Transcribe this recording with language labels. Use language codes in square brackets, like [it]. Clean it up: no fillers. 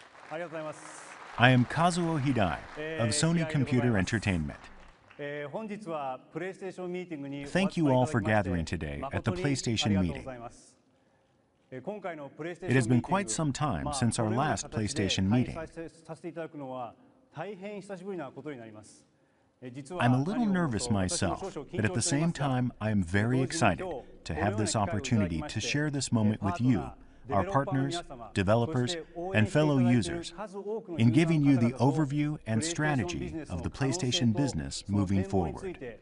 [ja] ありがとうございます。 [en] I am Kazuo Hidai of Sony Computer Entertainment. [ja] 本日はプレイステーションミーティングに。 [en] Thank you all for gathering today at the PlayStation meeting. [ja] 今回のプレイステーション [en] It has been quite some time since our last PlayStation meeting. [ja] させていただくのは大変久しぶりなことになります。 [en] I'm a little nervous myself, but at the same time, I am very excited to have this opportunity to share this moment with you, our partners, developers, and fellow users, in giving you the overview and strategy of the PlayStation business moving forward.